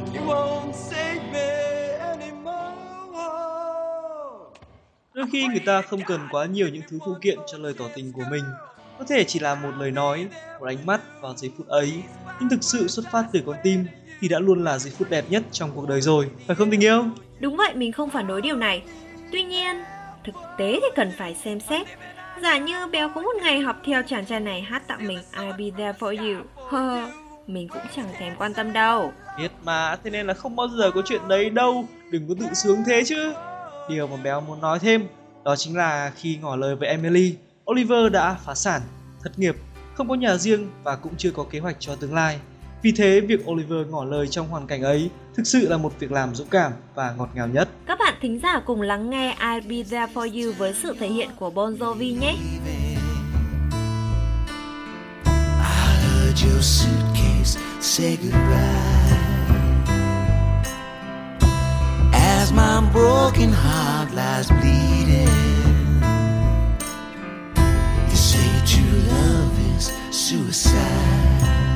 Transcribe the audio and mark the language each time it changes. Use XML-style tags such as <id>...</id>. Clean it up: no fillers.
<en>You won't save me anymore.</en> <vi>Đôi khi người ta không cần quá nhiều những thứ phụ kiện cho lời tỏ tình của mình. Có thể chỉ là một lời nói, một ánh mắt vào giây phút ấy, nhưng thực sự xuất phát từ con tim thì đã luôn là giây phút đẹp nhất trong cuộc đời rồi, phải không tình yêu? Đúng vậy, mình không phản đối điều này. Tuy nhiên, thực tế thì cần phải xem xét. Giả như Béo có một ngày học theo chàng trai này hát tặng mình</vi> <en>I'll be there for you,</en> <vi>mình cũng chẳng thèm quan tâm đâu. Biết mà, thế nên là không bao giờ có chuyện đấy đâu, đừng có tự sướng thế chứ. Điều mà Béo muốn nói thêm, đó chính là khi ngỏ lời với Emily, Oliver đã phá sản, thất nghiệp, không có nhà riêng và cũng chưa có kế hoạch cho tương lai. Vì thế, việc Oliver ngỏ lời trong hoàn cảnh ấy thực sự là một việc làm dũng cảm và ngọt ngào nhất. Các bạn thính giả cùng lắng nghe I'll Be There For You với sự thể hiện của Bon Jovi nhé.</vi> <en>I heard your suitcase say goodbye. As my broken heart lies bleeding. You say true love is suicide.</en>